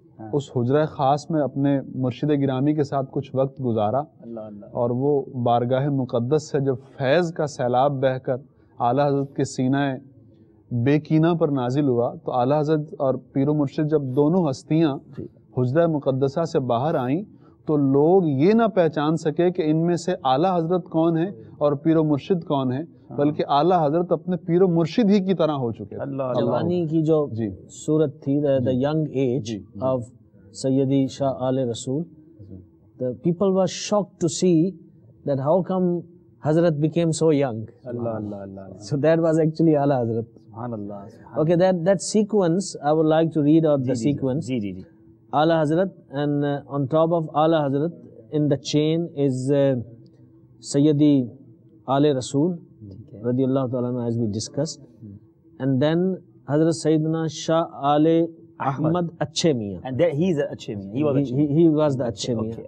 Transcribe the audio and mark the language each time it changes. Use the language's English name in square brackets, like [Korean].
[Urdu] اس حجرہ خاص میں اپنے مرشد گرامی کے ساتھ کچھ وقت گزارا اور وہ بارگاہ مقدس سے جب فیض کا سیلاب بہ کر اعلیٰ حضرت کے سینہ بے کینہ پر نازل ہوا تو اعلیٰ حضرت اور پیر و مرشد جب دونوں ہستیاں حجرہ مقدسہ سے باہر آئیں تو لوگ یہ نہ پہچان سکے کہ ان میں سے اعلیٰ حضرت کون ہیں اور پیر و مرشد کون ہیں, بلکہ اعلیٰ حضرت اپنے پیر و مرشد ہی کی طرح ہو چکے. جوانی کی جو صورت تھی, [English] the young age of Syedi Shah Aal Rasool, the people were shocked to see that how come Hazrat became so young. So that was actually Ala Hazrat. Okay, that sequence I would like to read out the sequence. Ala Hazrat, and on top of Ala Hazrat in the chain is Syedi Aal Rasool رضی اللہ تعالیٰ عنہ, as we discussed. And then Hazrat Syedna Shah Aal Ahmad Achhe Miyan, and he is Achhe Miyan, he was the Achhe Miyan.